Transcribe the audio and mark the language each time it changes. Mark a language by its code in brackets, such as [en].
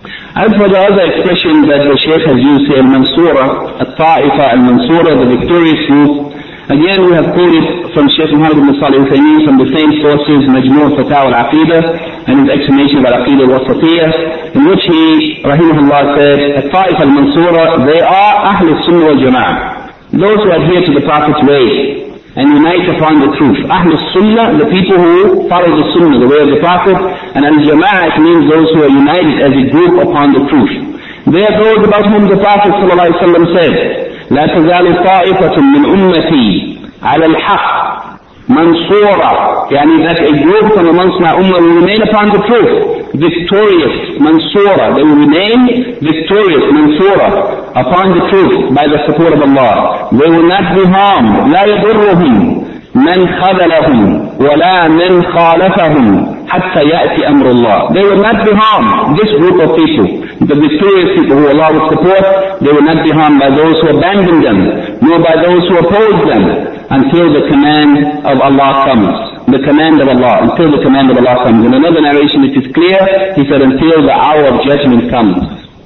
[en] As for the other expression that the Shaykh has used here, al-Mansura, al-Ta'ifa al-Mansura, the victorious group, again we have quoted from Shaykh Muhammad ibn Salih al-Uthaymeen from the same sources, Majmu' Fatawa al-Aqidah, and his explanation of al-Aqidah al-Wasatiyah, in which he, rahimahullah, said, al-Ta'ifa al-Mansura, they are Ahlul Sunnah wal-Jama'ah, those who adhere to the Prophet's way and unite upon the truth. Ahlul Sunnah, the people who follow the Sunnah, the way of the Prophet, and al-Jama'ah means those who are united as a group upon the truth. They are those about whom the Prophet ﷺ said, [ar] لَا تَزَالُ طَائِفَةٌ مِّنْ أُمَّتِي عَلَى الْحَقِّ مَنْصُورًا. [en] Yani that a group from amongst my ummah will remain upon the truth, victorious, mansura. They will remain victorious, mansura, upon the truth by the support of Allah. They will not be harmed. [ar] لا يضرهم من خذلهم ولا من خالفهم حتى يأتي أمر الله. [en] They will not be harmed, this group of people, the victorious people who Allah will support. They will not be harmed by those who abandon them, nor by those who oppose them, until the command of Allah comes. In another narration it is clear, he said, until the hour of judgment comes.